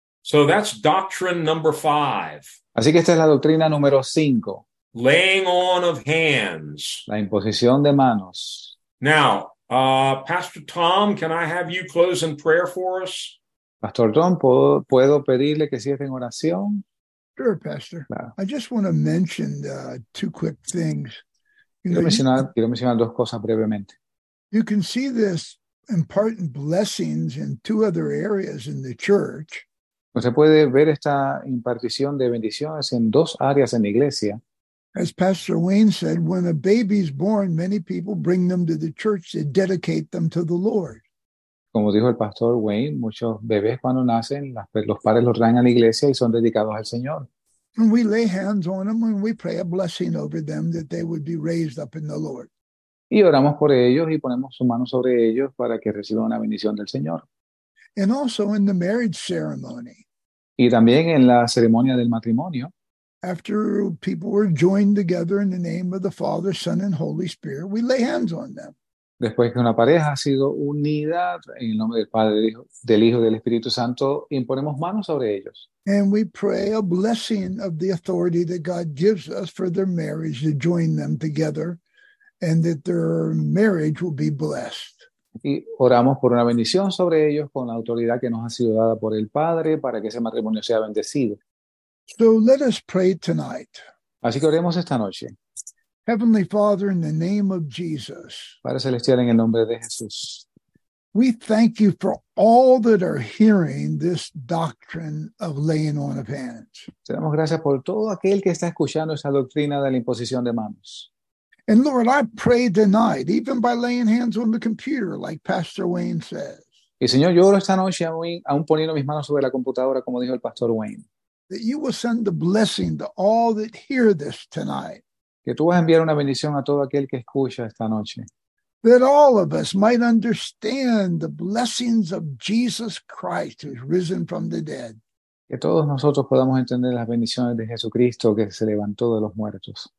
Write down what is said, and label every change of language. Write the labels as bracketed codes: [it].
[en] So that's doctrine number five. [es] Así que esta es la doctrina número 5, [en] Laying on of hands. [es] la imposición de manos. [en] Now, Pastor Tom, can I have you close in prayer for us? [es] Pastor Tom, ¿puedo pedirle que cierre en oración? [en] Sure, Pastor. [es] Claro. [en] I just want to mention two quick things. You know, [es] Quiero mencionar dos cosas brevemente. [en] you can see this important blessings in two other areas in the church. [es] Se puede ver esta impartición de bendiciones en dos áreas en la iglesia. [en] As Pastor Wayne said, when a baby's born, many people bring them to the church to dedicate them to the Lord. [es] Como dijo el pastor Wayne, muchos bebés cuando nacen, los padres los traen a la iglesia y son dedicados al Señor. [en] And we lay hands on them and we pray a blessing over them that they would be raised up in the Lord. [es] Y oramos por ellos y ponemos su mano sobre ellos para que reciban una bendición del Señor. [en] And also in the marriage ceremony. [es] Y también en la ceremonia del matrimonio. [en] After people were joined together in the name of the Father, Son, and Holy Spirit, we lay hands on them. [es] Después que una pareja ha sido unida en el nombre del Padre, del Hijo y del Espíritu Santo, imponemos manos sobre ellos. [en] And we pray a blessing of the authority that God gives us for their marriage to join them together and that their marriage will be blessed. [es] Y oramos por una bendición sobre ellos con la autoridad que nos ha sido dada por el Padre para que ese matrimonio sea bendecido. [en] So let us pray tonight. [es] Así que oremos esta noche. [en] Heavenly Father, in the name of Jesus, [es] Padre Celestial, en el nombre de Jesús, [en] we thank you for all that are hearing this doctrine of laying on of hands. [es] Te damos gracias por todo aquel que está escuchando esa doctrina de la imposición de manos. [en] And Lord, I pray tonight, even by laying hands on the computer, like Pastor Wayne says. [es] Y Señor, yo oro esta noche aún poniendo mis manos sobre la computadora, como dijo el Pastor Wayne. [en] That you will send a blessing to all that hear this tonight. [es] Que tú vas a enviar una bendición a todo aquel que escucha esta noche. [en] That all of us might understand the blessings of Jesus Christ who is risen from the dead. [es] Que todos nosotros podamos entender las bendiciones de Jesucristo que se levantó de los muertos.